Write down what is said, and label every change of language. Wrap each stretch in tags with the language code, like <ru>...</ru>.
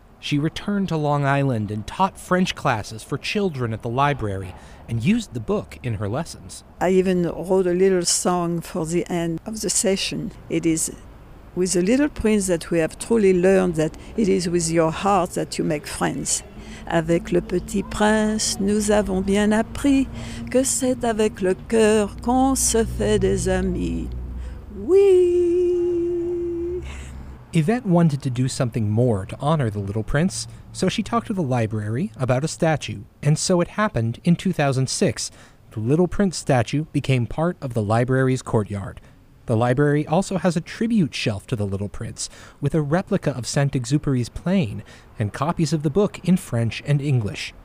<en>She returned to Long Island and taught French classes for children at the library and used the book in her lessons. "I even wrote a little song for the end of the session. It is with the little prince that we have truly learned that it is with your heart that you make friends.</en> <fr>Avec le petit prince, nous avons bien appris que c'est avec le cœur qu'on se fait des amis. Oui."</fr> <en>Yvette wanted to do something more to honor the little prince, so she talked to the library about a statue, and so it happened in 2006. The little prince statue became part of the library's courtyard. The library also has a tribute shelf to the little prince, with a replica of Saint-Exupéry's plane and copies of the book in French and English.</en>